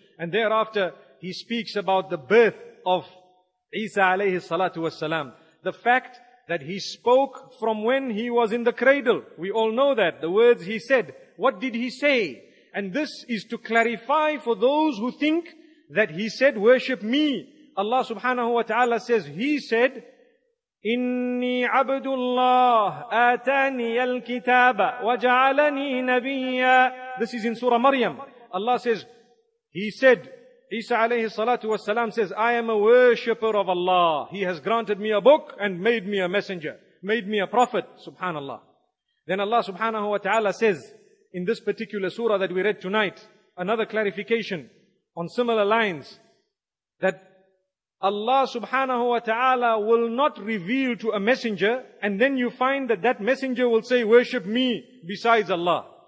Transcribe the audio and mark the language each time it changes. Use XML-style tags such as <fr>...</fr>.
<en>And thereafter, he speaks about the birth of Isa alayhi salatu wa salam. The fact that he spoke from when he was in the cradle. We all know that. The words he said. What did he say? And this is to clarify for those who think that he said, worship me. Allah subhanahu wa ta'ala says, he said,</en> <ar>إني عبد الله آتاني الكتاب وجعلني نبيا.</ar> <en>This is in Surah Maryam. Allah says, he said, Isa alayhi salatu wasalam says, I am a worshipper of Allah. He has granted me a book and made me a messenger, made me a prophet, subhanallah. Then Allah subhanahu wa ta'ala says, in this particular surah that we read tonight, another clarification on similar lines, that Allah subhanahu wa ta'ala will not reveal to a messenger, and then you find that that messenger will say, worship me besides Allah.</en>